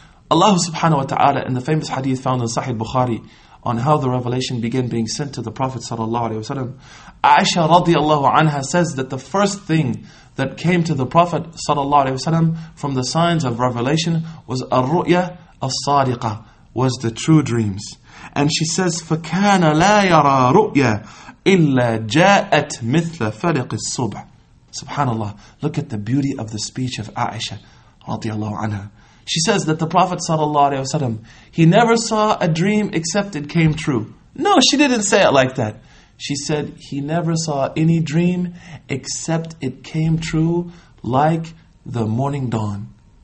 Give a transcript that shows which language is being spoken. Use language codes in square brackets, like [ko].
[en] Allah subhanahu wa ta'ala, in the famous hadith found in Sahih Bukhari on how the revelation began being sent to the Prophet sallallahu alayhi wa sallam, Aisha radiallahu anha says that the first thing that came to the Prophet sallallahu alayhi wa sallam from the signs of revelation was [ar] al-ru'ya al-sadiqa, [en] was the true dreams. And she says, [ar] فَكَانَ لَا يَرَى رُؤْيَا إِلَّا جَاءَتْ مِثْلَ فَلِقِ الصُّبْحِ. [en] SubhanAllah, look at the beauty of the speech of Aisha radiallahu anha. She says that the Prophet sallallahu alayhi wa sallam, he never saw a dream except it came true. No, she didn't say it like that. She said, he never saw any dream except it came true like the morning dawn.